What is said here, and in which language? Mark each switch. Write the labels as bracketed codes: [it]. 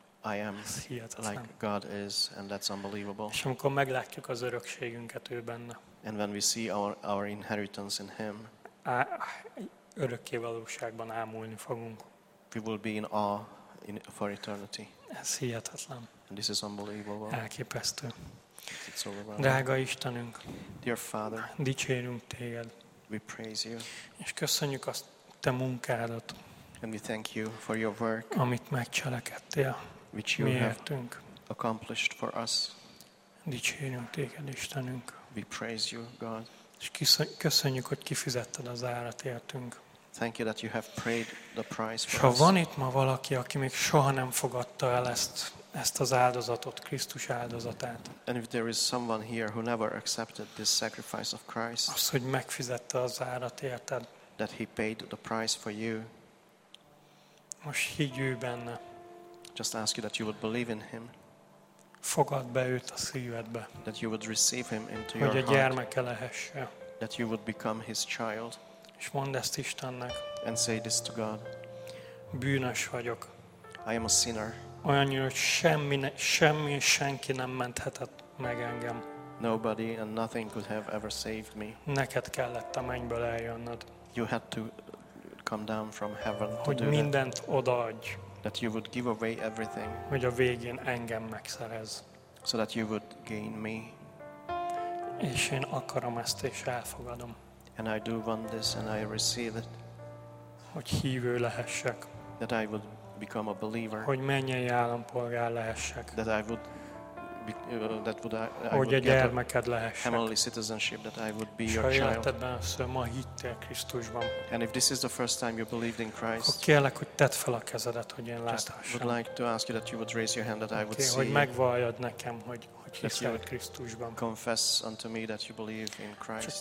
[en] I am like God is, and that's unbelievable. [hu] És amikor meglátjuk az örökségünket ő benne. [en] And when we see our inheritance in him. [hu] Örökké valóságban ámulni fogunk. [en] We will be in awe for eternity. [hu] Ez hihetetlen. [en] And this is unbelievable. [hu] Elképesztő. Drága Istenünk. [en] Dear Father. [hu] Dicsérünk téged. [en] We praise you. [hu] És köszönjük azt te munkádat. [en] And we thank you for your work. [hu] Amit megcselekedtél. [en] Which you [hu] miértünk. [en] Have accomplished for us. [hu] Dicsérünk téged, Istenünk. [en] We praise you, God. [hu] És köszönjük, hogy kifizetted az árat értünk. [en] Thank you that you have paid the price for [hu] us. Ha van itt ma valaki, aki még soha nem fogadta el ezt az áldozatot, Krisztus áldozatát. [en] And if there is someone here who never accepted this sacrifice of Christ. [hu] Az, hogy megfizette az árat érted. [en] That he paid the price for you. [hu] Most higgy ő benne. [en] Just ask you that you would believe in him. [hu] Fogadd be őt a szívedbe. [en] That you would receive him into [hu] hogy [en] your [hu] a gyermeke lehesse. [en] That you would become his child. [hu] És mondd ezt Istennek. [en] And say this to God. [hu] Bűnös vagyok. [en] I am a sinner. [hu] Olyannyira, hogy semmi senki nem menthetett meg engem. [en] Nobody and nothing could have ever saved me. [hu] Neked kellett a mennyből eljönnöd. [en] You had to come down from heaven [hu] hogy [en] to do [hu] mindent odaadj. [en] That you would give away everything. [hu] Hogy a végén engem megszerez. [en] So that you would gain me. [hu] És én akarom ezt és elfogadom. [en] And I do want this and I receive it. [hu] Hogy hívő lehessek. [en] That I would become a believer. [hu] Hogy mennyei állampolgár lehessek. [en] That I would that would I [hu] hogy egy gyermeked lehessek. [en] Heavenly citizenship that I would be your child. [hu] Életedben először ma hittél Krisztusban. [en] And if this is the first time you believed in Christ. [hu] Akkor kérlek, hogy tedd fel a kezedet, hogy én láthassam. [en] Would like to ask you that you would raise your hand that I would okay, see. [hu] Hogy megvalljad nekem, hogy hiszel Krisztusban. [en] Confess unto me that you believe in Christ.